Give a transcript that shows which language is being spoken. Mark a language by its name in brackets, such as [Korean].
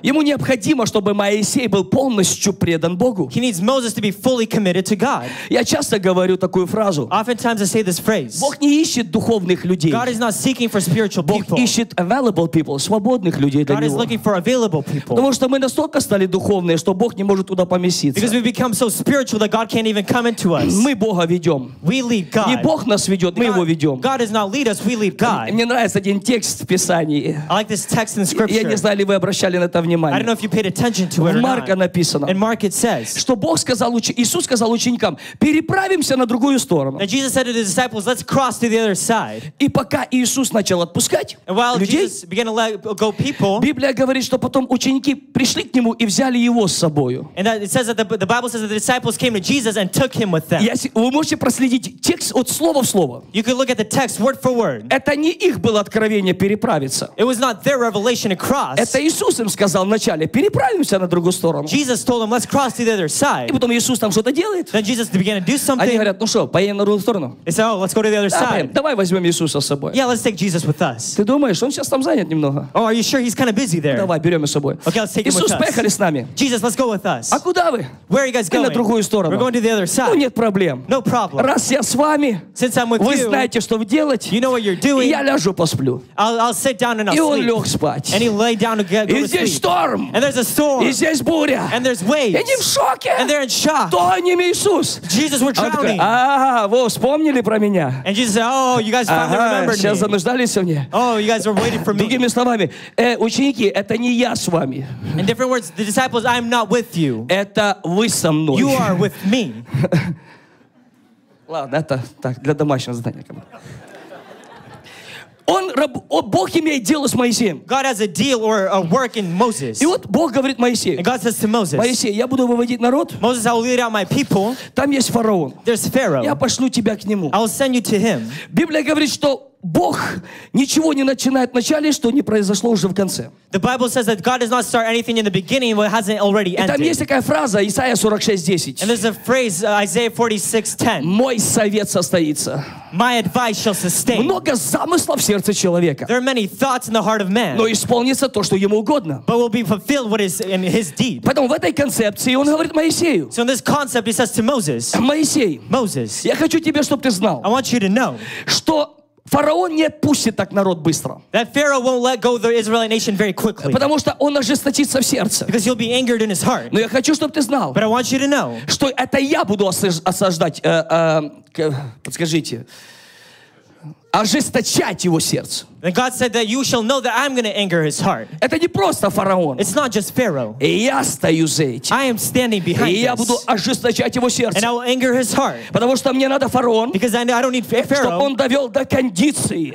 [Russian] Ему необходимо, чтобы Моисей был полностью предан Богу. [English] He needs Moses to be fully committed to God. [Russian] Я часто говорю. Такую фразу. [English] Oftentimes I say this phrase. [Russian] Бог не ищет духовных людей. [English] God is not seeking for spiritual people. [Russian] Бог ищет [English] available people, [Russian] свободных людей для [English] God [Russian] него. [English] God is looking for available people. [Russian] Потому что мы настолько стали духовные, что Бог не может туда поместиться. [English] Because we become so spiritual that God can't even come into us. [Russian] Мы Бога ведем. [English] We lead God. [Russian] Не Бог нас ведет, мы [English] God, [Russian] его ведем. [English] God does not lead us, we lead God. [Russian] Мне нравится один текст в Писании. [English] I like this text in Scripture. [Russian] Я не знаю, ли вы обращали на это внимание. [English] I don't know if you paid attention to it or not. [Russian] В Марка написано. [English] In Mark it says. [Russian] Что Бог сказал Иисус сказал ученикам, переправимся на другую сторону. [English] And Jesus said to the disciples, let's cross to the other side. [Russian] И пока Иисус начал отпускать [English] and while [Russian] людей, [English] Jesus began to let go people, [Russian] Библия говорит, что потом ученики пришли к нему и взяли его с собою. [English] And that it says that the Bible says that the disciples came to Jesus and took him with them. [Russian] Вы можете проследить текст от слова в слово. [English] You could look at the text word for word. [Russian] Это не их было откровение переправиться. [English] It was not their revelation to cross. [Russian] Это Иисус им сказал вначале, переправимся на другую сторону. [English] Jesus told them, let's cross to the other side. [Russian] И потом Иисус там что-то делает. [English] Then Jesus began to do something. [Russian] Они говорят, ну что, поедем на другую сторону? [English] They say, oh, let's go to the other side. [Russian] Поедем, давай возьмем Иисуса с собой. [English] Yeah, let's take Jesus with us. [Russian] Ты думаешь, он сейчас там занят немного? [English] Oh, are you sure he's kind of busy there? [Russian] Давай, берем его с собой. [English] Okay, let's take [Russian] Иисус, [English] him with [Russian] поехали [English] us. [Russian] С нами. [English] Jesus, let's go with us. [Russian] А куда вы? [English] Where are you guys going? [Russian] На другую сторону. [English] We're going to the other side. [Russian] Ну, нет проблем. [English] No problem. [Russian] Раз я с вами, [English] since I'm with [Russian] вы [English] you, [Russian] знаете, что делать. [English] You know what you're doing. [Russian] И я ляжу, посплю. [English] I'll sit down and I'll [Russian] и он [English] sleep. [Russian] Лег спать. [English] And he lay down to go [Russian] и [English] to sleep. [Russian] Здесь шторм. [English] And there's a storm. [Russian] И здесь буря. [English] And there's waves. [Russian] И они в шоке. [English] And they're in shock. [Russian] Кто они, Иисус? [English] Jesus, we're drowning. А, [Russian] вы вспомнили про меня? [English] And Jesus said, oh, you guys finally remembered me. [Russian] Сейчас зануждались мне. [English] Oh, you guys are waiting for me. [Russian] Другими словами, ученики, это не я с вами. [English] In different words, the disciples, I'm not with you. [Russian] Это вы со мной. [English] You are with me. [Russian] Ладно, это так, для домашнего задания. Бог имеет дело с Моисеем. [English] God has a deal or a work in Moses. [Russian] И вот Бог говорит Моисею. [English] And God says to Moses. [Russian] Моисей, я буду выводить народ. [English] Moses, I will lead out my people. [Russian] Там есть фараон. [English] There's Pharaoh. [Russian] Я пошлю тебя к нему. [English] I will send you to him. [Russian] Библия говорит, что Бог ничего не начинает в начале, что не произошло уже в конце. [English] The Bible says that God does not start anything in the beginning what hasn't already ended. [Russian] И там есть такая фраза, Исайя 46:10. [English] And there's a phrase, Isaiah 46:10. [Russian] Мой совет состоится. [English] My advice shall sustain. [Russian] Много замыслов в сердце человека. [English] There are many thoughts in the heart of man. [Russian] Но исполнится то, что ему угодно. [English] But will be fulfilled what is in his deed. [Russian] Поэтому в этой концепции он говорит Моисею. [English] So in this concept he says to Moses. [Russian] Моисей. [English] Moses. [Russian] Я хочу тебе, чтобы ты знал. [English] I want you to know. [Russian] Что фараон не отпустит так народ быстро. [English] That Pharaoh won't let go the Israelite nation very quickly. [Russian] Потому что он ожесточится в сердце. [English] Because he'll be angered in his heart. [Russian] Но я хочу, чтобы ты знал. [English] But I want you to know. [Russian] Что это я буду осаждать, подскажите, ожесточать его сердце. [English] And God said that you shall know that I'm going to anger his heart. [Russian] Это не просто фараон. [English] It's not just Pharaoh. [Russian] И я стою за этим. [English] I am standing behind this. [Russian] И я буду ожесточать его сердце. [English] And I will anger his heart. [Russian] Потому что мне надо фараон. [English] Because I don't need Pharaoh. [Russian] Чтобы он довел до кондиции.